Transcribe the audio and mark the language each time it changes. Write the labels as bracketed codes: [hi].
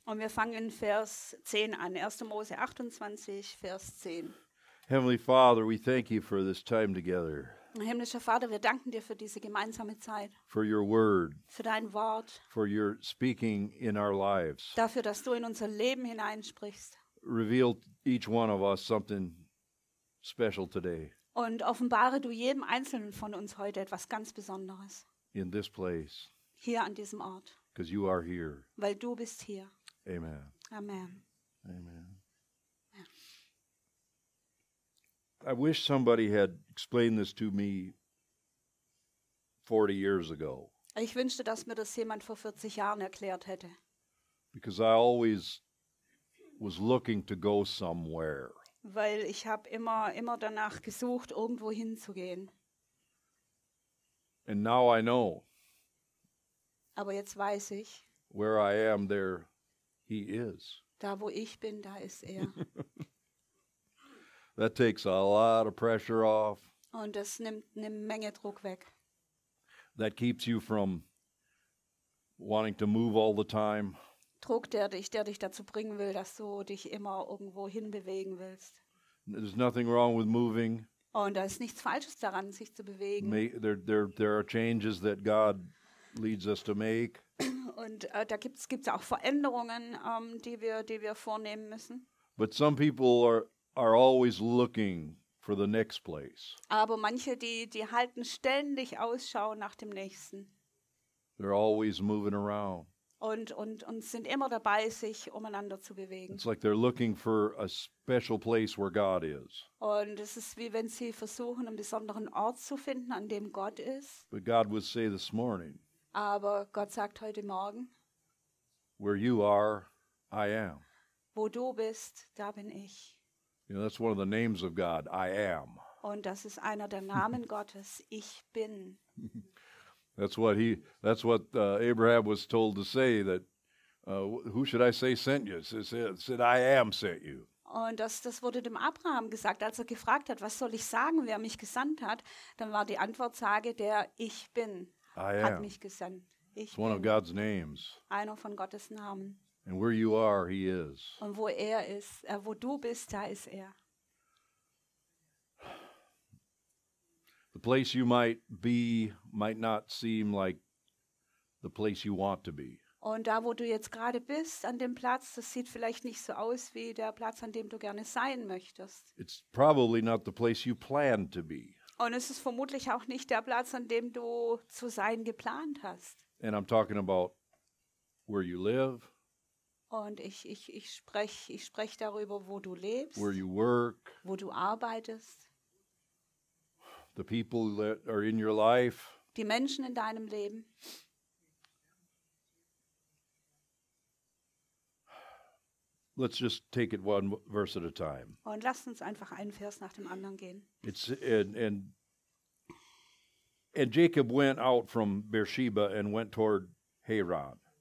[de] Und wir fangen in Vers 10 an, 1. Mose 28, Vers 10. [en] Heavenly Father, we thank you for this time together. [de] Himmlischer Vater, wir danken dir für diese gemeinsame Zeit. [en] For your word. [de] Für dein Wort. [en] For your speaking in our lives. [de] Dafür, dass du in unser Leben hineinsprichst. [en] Reveal each one of us something special today. [de] Und offenbare du jedem Einzelnen von uns heute etwas ganz Besonderes. [en] In this place. [de] Hier an diesem Ort. [en] Because you are here. [de] Weil du bist hier. Amen. Amen. Amen. [en] I wish somebody had explained this to me 40 years ago. [de] Ich wünschte, dass mir das jemand vor 40 Jahren erklärt hätte. [en] Because I always was looking to go somewhere. [de] Weil ich habe immer danach gesucht, irgendwo hinzugehen. [en] And now I know. [de] Aber jetzt weiß ich. [en] Where I am, there he is. [de] Da wo ich bin, da ist er. [en] That takes a lot of pressure off. [de] Und das nimmt eine Menge Druck weg. [en] That keeps you from wanting to move all the time. [de] Druck, der dich dazu bringen will, dass du dich immer irgendwo hinbewegen willst. [en] There's nothing wrong with moving. [de] Und da ist nichts Falsches daran, sich zu bewegen. [en] There are changes that God leads us to make. [de] Und da gibt's auch Veränderungen, die wir vornehmen müssen. [en] But some people are always looking for the next place. [de] Aber manche, die halten ständig Ausschau nach dem Nächsten. [en] They're always moving around. [de] Und sind immer dabei, sich umeinander zu bewegen. [en] It's like they're looking for a special place where God is. [de] Und es ist wie wenn sie versuchen, einen besonderen Ort zu finden, an dem Gott ist. [en] But God would say this morning. [de] Aber Gott sagt heute Morgen. [en] Where you are, I am. [de] Wo du bist, da bin ich. [en] You know, that's one of the names of God, I am. [de] Und das ist einer der Namen Gottes, ich bin. [en] That's what Abraham was told to say, that who should I say sent you? He said, I am sent you. [de] Und das wurde dem Abraham gesagt, als er gefragt hat, was soll ich sagen, wer mich gesandt hat? Dann war die Antwort, sage, der ich bin, [en] I [de] hat [en] am. [de] Mich gesandt. Ich [en] it's one [de] bin. [en] Of God's names. [de] Einer von Gottes Namen. [en] And where you are, he is. [de] Und wo er ist, wo du bist, da ist er. [en] The place you might be might not seem like the place you want to be. [de] Und da, wo du jetzt gerade bist, an dem Platz, das sieht vielleicht nicht so aus wie der Platz, an dem du gerne sein möchtest. [en] It's probably not the place you plan to be. [de] Und es ist vermutlich auch nicht der Platz, an dem du zu sein geplant hast. [en] And I'm talking about where you live. [de] Und ich spreche darüber, wo du lebst, [en] where you work, [de] wo du arbeitest, [en] the people that are in your life, [de] die Menschen in deinem Leben. [en] Let's just take it one verse at a time. [de] Und lass uns einfach einen Vers nach dem anderen gehen. [en] It's and Jacob went out from Beersheba and went toward Haran.